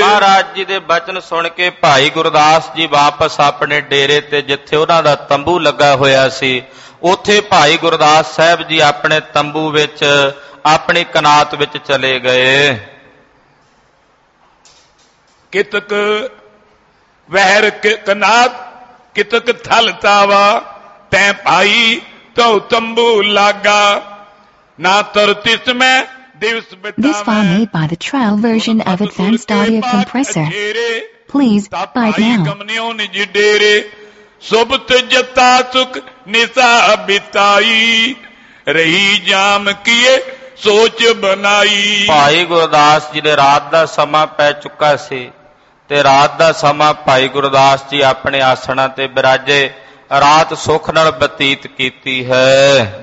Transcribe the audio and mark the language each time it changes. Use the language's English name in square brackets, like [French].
[Punjabi] ਮਹਾਰਾਜ ਜੀ ਦੇ ਬਚਨ ਸੁਣ ਕੇ ਭਾਈ ਗੁਰਦਾਸ ਜੀ ਵਾਪਸ ਆਪਣੇ ਡੇਰੇ ਤੇ, ਜਿੱਥੇ ਉਹਨਾਂ ਦਾ ਤੰਬੂ ਲੱਗਾ ਹੋਇਆ ਸੀ, ਉੱਥੇ ਭਾਈ ਗੁਰਦਾਸ ਸਾਹਿਬ ਜੀ ਆਪਣੇ ਤੰਬੂ ਵਿੱਚ, ਆਪਣੀ ਕਨਾਤ ਵਿੱਚ ਚਲੇ ਗਏ। ਕਿਤਕ ਵਹਿਰ ਕਨਾਤ ਕਿਤਕ ਥਲ ਤਾਵਾ, ਤੈ ਭਾਈ ਤਉ ਤੰਬੂ ਲਾਗਾ, ਨਾ ਤਰ ਤਿਸ ਮੈਂ। [English] This file made by the trial version of Advanced Audio Compressor. Please buy it now. [Punjabi] ਕਮਨਿਓ ਨਿਜ ਡੇਰੇ, ਸੁਭਤ ਜਤਾ ਸੁਖ ਨਿਸਾ ਬਿਤਾਈ, ਰਹੀ ਜਾਮ ਕੀਏ ਸੋਚ ਬਣਾਈ। ਭਾਈ ਗੁਰਦਾਸ ਜੀ ਦੇ ਰਾਤ ਦਾ ਸਮਾਂ ਪੈ ਚੁੱਕਾ ਸੀ ਤੇ ਰਾਤ ਦਾ ਸਮਾਂ ਭਾਈ ਗੁਰਦਾਸ ਜੀ ਆਪਣੇ ਆਸਣਾਂ ਤੇ ਬਿਰਾਜੇ, ਰਾਤ ਸੁਖ ਨਾਲ ਬਤੀਤ ਕੀਤੀ ਹੈ।